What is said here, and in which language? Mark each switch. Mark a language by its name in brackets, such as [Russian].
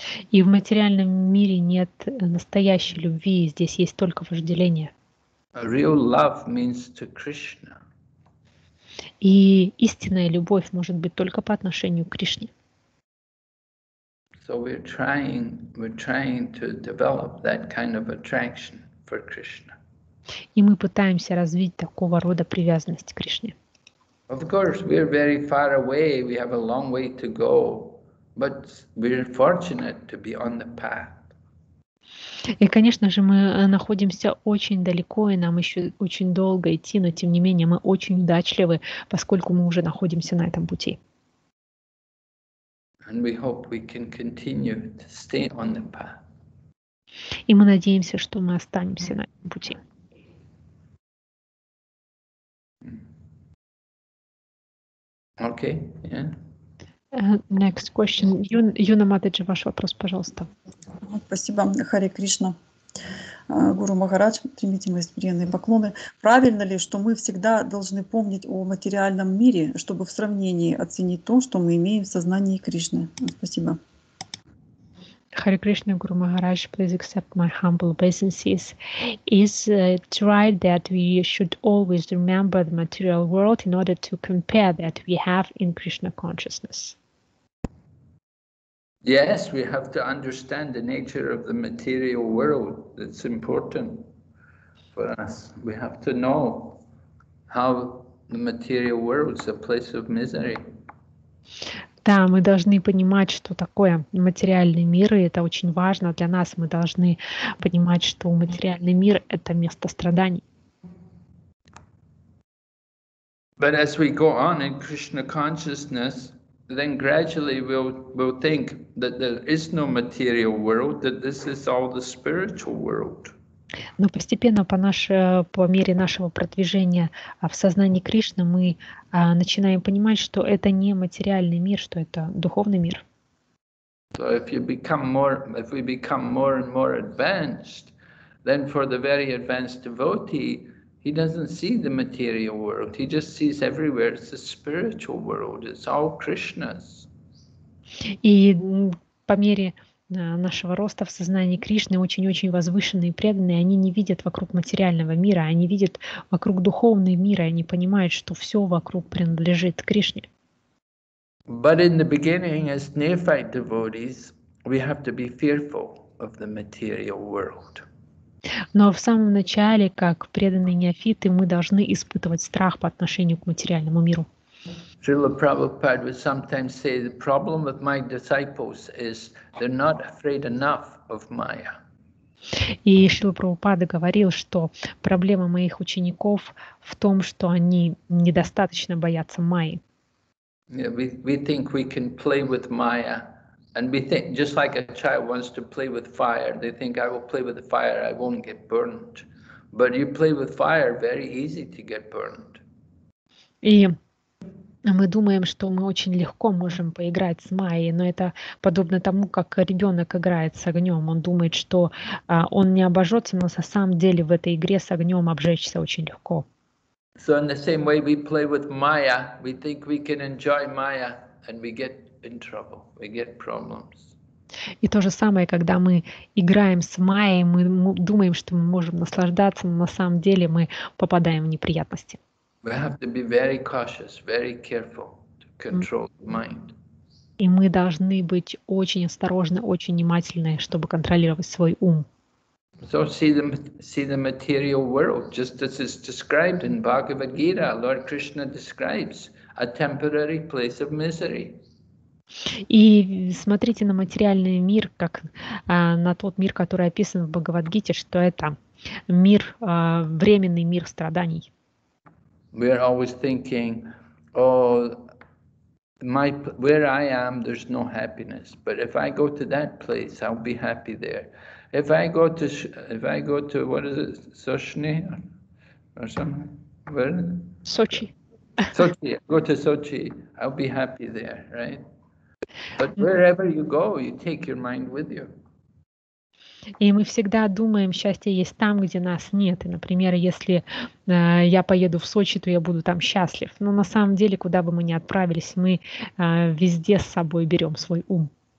[Russian] И в материальном мире нет настоящей любви, здесь есть только вожделение. [English] Real love means to Krishna. [Russian] И истинная любовь может быть только по отношению к Кришне. [English] So we're trying to develop that kind of attraction for Krishna. [Russian] И мы пытаемся развить такого рода привязанность к Кришне. [English] Of course, we are very far away, we have a long way to go, but we are fortunate to be on the path. [Russian] И, конечно же, мы находимся очень далеко, и нам еще очень долго идти, но тем не менее мы очень удачливы, поскольку мы уже находимся на этом пути. [English] And we hope we can continue to stay on the path. [Russian] И мы надеемся, что мы останемся на этом пути. [English] Okay. Yeah. Next question. [Russian] Юна Матаджи, ваш вопрос, пожалуйста. Спасибо. Харе Кришна. Гуру Махарадж, примите мои смиренные поклоны. Правильно ли, что мы всегда должны помнить о материальном мире, чтобы в сравнении оценить то, что мы имеем в сознании Кришны? Спасибо. [English] Харе Кришна, Гуру Махарадж, please accept my humble obeisances. Is it right that we should always remember the material world in order to compare that we have in Krishna consciousness? Yes, we have to understand the nature of the material world. It's important for us. We have to know how the material world is a place of misery. [Russian] Да, мы должны понимать, что такое материальный мир, и это очень важно для нас. Мы должны понимать, что материальный мир — это место страданий. [English] But as we go on in Krishna consciousness, then gradually we'll think that there is no material world, that this is all the spiritual world. [Russian] Но постепенно по мере нашего продвижения в сознании Кришны мы начинаем понимать, что это не материальный мир, что это духовный мир. [English] So if you become more, if we become more and more advanced, then for the very advanced devotee, he doesn't see the material world. He just sees everywhere it's the spiritual world. It's all Krishna's. [Russian] И по мере нашего роста в сознании Кришны очень-очень возвышенные преданные, они не видят вокруг материального мира, они видят вокруг духовный мир, они понимают, что все вокруг принадлежит Кришне. [English] But in the beginning, as neophyte devotees, we have to be fearful of the material world. [Russian] Но в самом начале, как преданные неофиты, мы должны испытывать страх по отношению к материальному миру. [English] Srila Prabhupada would sometimes say, the problem with my disciples is they're not afraid enough of Maya. [Russian] И Шрила Прабхупада говорил, что проблема моих учеников в том, что они недостаточно боятся Майи. [English] Yeah, we think we can play with Maya, and we think just like a child wants to play with fire, they think I will play with the fire, I won't get burned. But you play with fire, very easy to get burned. [Russian] И мы думаем, что мы очень легко можем поиграть с Майей, но это подобно тому, как ребенок играет с огнем. Он думает, что он не обожжется, но на самом деле в этой игре с огнем обжечься очень легко. [English] So in the same way we play with Maya, we think we can enjoy Maya, and we get in trouble, we get problems. [Russian] И то же самое, когда мы играем с Майей, мы думаем, что мы можем наслаждаться, но на самом деле мы попадаем в неприятности. [English] We have to be very cautious, very careful to control the mind. [Russian] И мы должны быть очень осторожны, очень внимательны, чтобы контролировать свой ум. [English] So see the material world just as it's described in Bhagavad Gita. Lord Krishna describes a temporary place of misery. [Russian] И смотрите на материальный мир как на тот мир, который описан в Бхагавад-гите, что это мир временный мир страданий. [English] We are always thinking, oh, my where I am, there's no happiness. But if I go to that place, I'll be happy there. If I go to what is it, Sochi or something? Where? Sochi. Go to Sochi. I'll be happy there, right? But wherever you go, you take your mind with you. [Russian] И мы всегда думаем, счастье есть там, где нас нет. И, например, если я поеду в Сочи, то я буду там счастлив. Но на самом деле, куда бы мы ни отправились, мы везде с собой берем свой ум.